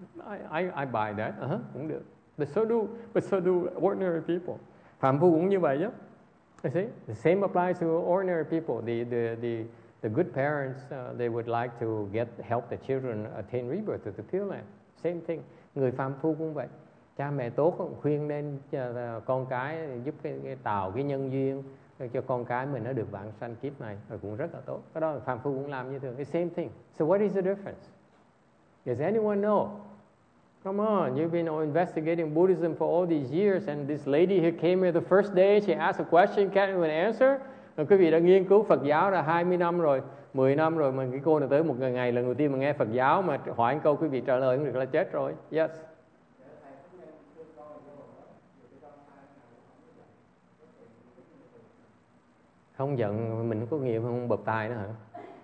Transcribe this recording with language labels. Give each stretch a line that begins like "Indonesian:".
English: I buy that.
Vietnamese: Cũng được.
English: But so do ordinary people.
Vietnamese: Phạm phu cũng như vậy.
English: You see, the same applies to ordinary people. The good parents, they would like to get help their children attain rebirth to the pure land. Same thing.
Vietnamese: Người phàm phu cũng vậy. Cha mẹ tốt cũng khuyên nên con cái giúp cái tạo cái nhân duyên cho con cái mình nó được vãng sanh kiếp này rồi cũng rất là tốt. Cái đó phàm phu cũng làm như thường.
English: It's the same thing. So what is the difference? Does anyone know? Come on, you've been investigating Buddhism for all these years and this lady who came here the first day, she asked a question, can't even answer?
Vietnamese: Quý vị đã nghiên cứu Phật giáo là 20 năm rồi, 10 năm rồi mà cái cô này tới một ngày lần đầu tiên mà nghe Phật giáo mà hỏi một câu quý vị trả lời cũng được là chết rồi. Yes. Không giận, mình có nghiệp không bập tai nữa hả?